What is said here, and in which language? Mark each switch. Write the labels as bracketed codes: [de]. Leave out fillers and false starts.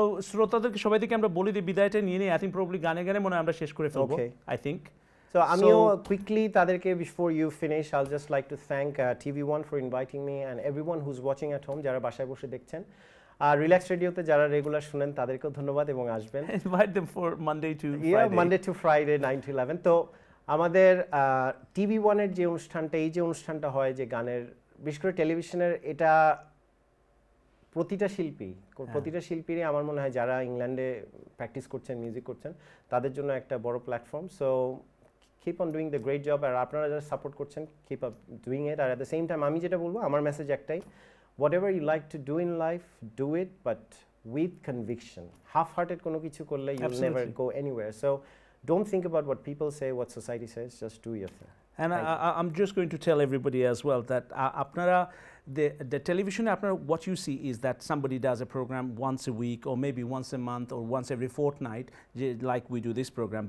[bn] শ্রোতাদেরকে সবাইদেরকে আমরা বলে দিই, বিদায়টা নিয়ে নিই, [en] I think probably [bn] গানে গানে মনে হয় আমরা শেষ করে ফেলবো, [en] I think. So, Amio, quickly, Tadirke, before you finish, I'll just like to thank TV1 for inviting me and everyone who's watching at home, [bn] যারা বাসায় বসে দেখছেন। রিল্যাক্স রেডিওতে যারা রেগুলার শুনেন তাদেরকেও ধন্যবাদ এবং আসবেন। [en] Invite them for Monday to Friday. Yeah, Monday to Friday, 9 to 11. [bn] তো আমাদের TV1-এর যে অনুষ্ঠানটা, এই যে অনুষ্ঠানটা হয় যে গানের, বিশেষ করে টেলিভিশনের, এটা প্রতিটা শিল্পীরই আমার মনে হয় যারা ইংল্যান্ডে প্র্যাকটিস করছেন, মিউজিক করছেন, তাদের জন্য একটা বড় platform. [en] so keep on doing the great job, [bn] আর আপনারা যারা সাপোর্ট করছেন, [en] Keep up doing it. আর at the same time [bn] আমি যেটা বলবো, আমার মেসেজ একটাই, [en] Whatever you like to do in life, do it but with conviction. Half hearted [bn] কোনো কিছু করলে [en] You never go anywhere. So don't think about what people say, what society says, just do your thing. And I'm just going to tell everybody as well that [bn] apnara the television apnara, [en] what you see is that somebody does a program once a week or maybe once a month or once every fortnight, like we do this program.